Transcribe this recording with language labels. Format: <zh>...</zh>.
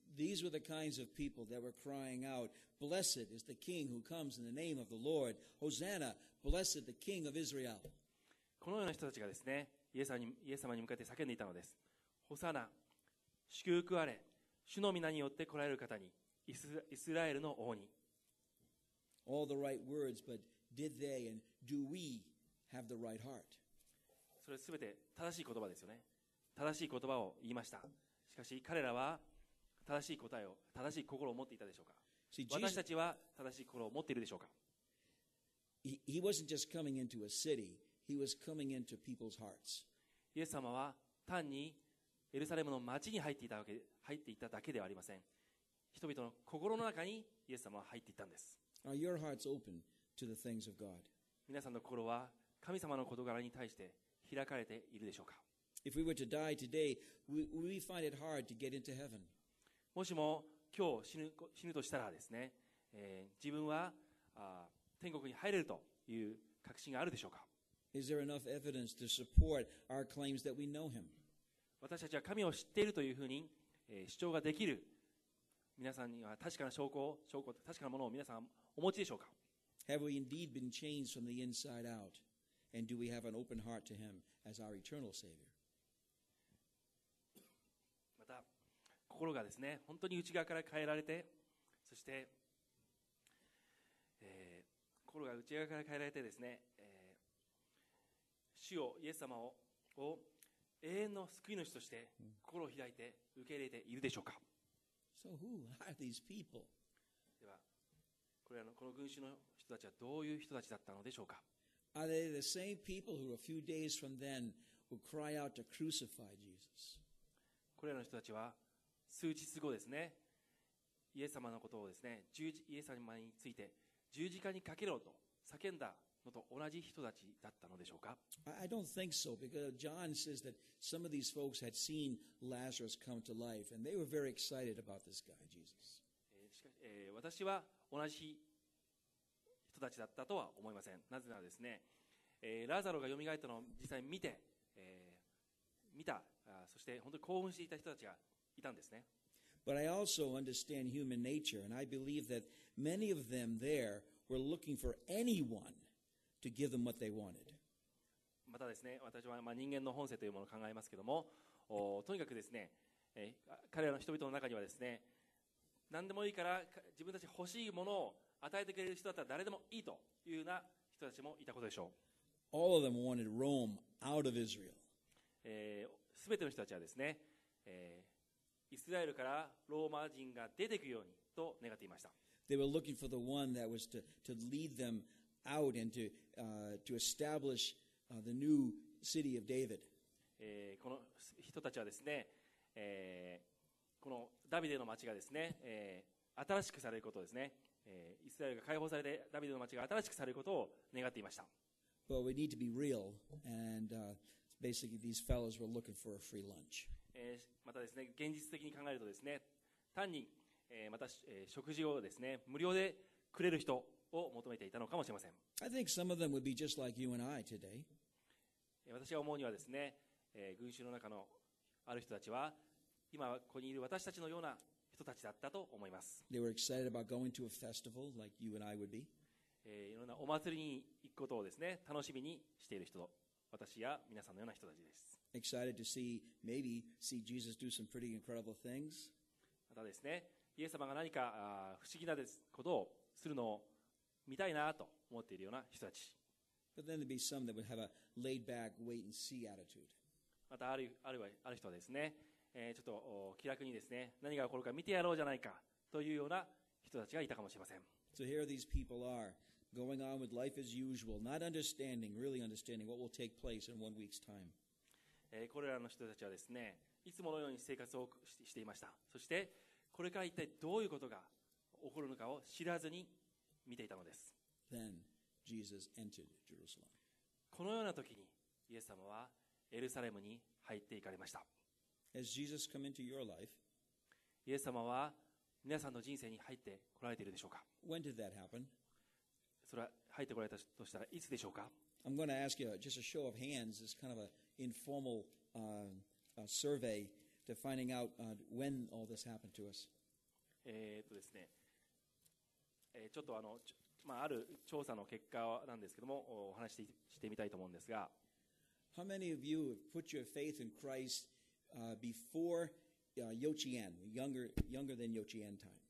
<en>These were the kinds of people that were crying out, Blessed is the King who comes in the name of the Lord. Hosanna, blessed the King of Israel.</en> <ja>このような人たちがですね、イエス様に向かって叫んでいたのです。ホサナ、祝福あれ、主の御名によって来られる方に、イスラエルの王に。</ja> <en>All the right words, but did they and do we? Have the right heart.</en> <ja>それすべて正しい言葉ですよね。正しい言葉を言いました。しかし彼らは正しい答えを、正しい心を持っていたでしょうか。私たちは正しい心を持っているでしょうか。</ja> <en>He wasn't just coming into a city. He was coming into people's hearts.</en> <ja>イエス様は単にエルサレムの町に入っていただけではありません。人々の心の中にイエス様は入っていったんです。</ja> <en>Are your hearts open to the things of God?</en> <ja>皆さんの心は神様の事柄に対して開かれているでしょうか。</ja> <en>If we were to die today, we find it hard to get into heaven.</en> <ja>もしも今日死ぬとしたらですね、自分は天国に入れるという確信があるでしょうか。</ja> <en>Is there enough evidence to support our claims that we know him?</en> <ja>私たちは神を知っているというふうに、主張ができる皆さんには確かな証拠、確かなものを皆さんお持ちでしょうか。</ja> <en>Have we indeed been changed from the inside out? And do we have an open heart to Him as our eternal Savior?</en> <ja>また心がですね、本当に内側から変えられて、そして、心が内側から変えられてですね、主をイエス様を永遠の救い主として心を開いて受け入れているでしょうか。</ja> <en>So who are these people?</en> <ja>ではこの群衆の人たちはどういう人たちだったのでしょうか。</ja> <en>Are they the same people who a few days from then will cry out to crucify Jesus?</en> <ja>これらの人たちは数日後ですね、イエス様のことをですね、イエス様について十字架にかけろと叫んだのと同じ人たちだったのでしょうか。</ja> <en>I don't think so, because John says that some of these folks had seen Lazarus come to life, and they were very excited about this guy, Jesus.</en> <ja>私は同じ人たちだったとは思いません。なぜならですね、ラザロが蘇ったのを実際見て、見た、そして本当に興奮していた人たちがいたんですね。</ja> <en>But I also understand human nature, and I believe that many of them there were looking for anyone to give them what they wanted.</en> <ja>またですね、私は人間の本性というものを考えますけども、とにかくですね、彼らの人々の中にはですね、何でもいいから自分たち欲しいものを与えてくれる人だったら誰でもいいというような人たちもいたことでしょう。</ja> <en>All of them wanted Rome out of Israel.</en> <ja>全ての人たちはですね、イスラエルからローマ人が出ていくようにと願っていました。</ja> <en>They were looking for the one that was to lead them out and to establish the new city of David.</en> <ja>この人たちはですね、このダビデの町がですね、新しくされることですね、イスラエルが解放されてダビデの町が新しくされることを願っていました。</ja> <en>But we need to be real, and basically these fellows were looking for a free lunch.</en> <ja>またですね、現実的に考えるとですね、単に、また、食事をですね、無料でくれる人を求めていたのかもしれません。</ja> <en>I think some of them would be just like you and I today.</en> <ja>私が思うにはですね、群衆の中のある人たちは今ここにいる私たちのような人たちだったと思います。</ja> <en>They were excited about going to a festival like you and I would be.</en> <ja>いろんなお祭りに行くことをですね、楽しみにしている人、私や皆さんのような人たちです。</ja> <en>Excited to see, maybe see Jesus do some pretty incredible things.</en> <ja>またですね、イエス様が何か不思議なですことをするのを見たいなと思っているような人たち。</ja> <en>But then there'd be some that would have a laid-back, wait-and-see attitude.</en> <ja>またある人はですね、ちょっと気楽にですね、何が起こるか見てやろうじゃないかというような人たちがいたかもしれません。</ja> <en>So here these people are going on with life as usual, not understanding, really understanding what will take place in one week's time.</en> <ja>これらの人たちはですね、いつものように生活をしていました。そしてこれから一体どういうことが起こるのかを知らずに見ていたのです。</ja> <en>Then Jesus entered Jerusalem.</en> <ja>このような時にイエス様はエルサレムに入っていかれました。</ja> <en>As Jesus come into your life,</en> <ja>イエス様は皆さんの人生に入って来られているでしょうか。</ja> <en>When did that happen?</en> <ja>それは入ってこられたとしたらいつでしょうか。</ja> <en>I'm going to ask you just a show of hands, this kind of an informal survey to finding out when all this happened to us.</en> <ja>ですね、ちょっとまあ、ある調査の結果なんですけども、お話し してみたいと思うんですが。</ja> <en>How many of you have put your faith in Christ before Yochian, younger than Yochian time?</en>